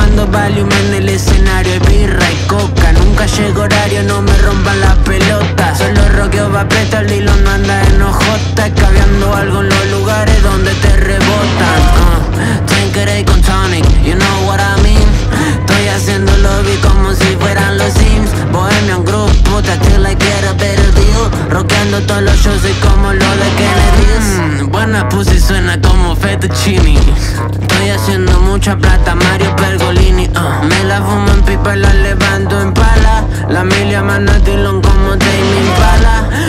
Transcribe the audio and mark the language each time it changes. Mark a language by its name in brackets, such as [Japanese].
[Spanish] Valium en el escenario, es birra y coca. Nunca llego horario, no me rompan la pelota. Solo roqueo va preto, el hilo no anda en OJ. Cabeando algo en los lugares donde te rebotan. Tanqueray con tonic, [English] you know what I mean. [Spanish] Estoy haciendo lobby como si fueran los Sims. [English] Bohemian group, puta, still I get a better deal. [Spanish] Roqueando todos los shows, soy como lo de Kennedy. Buena pussy, suena como fettuccini. Estoy haciendo mucha plata, Mario Pergolini. Me la fumo en pipa, la levanto en pala. La milia manda Dylan como Damien Pala.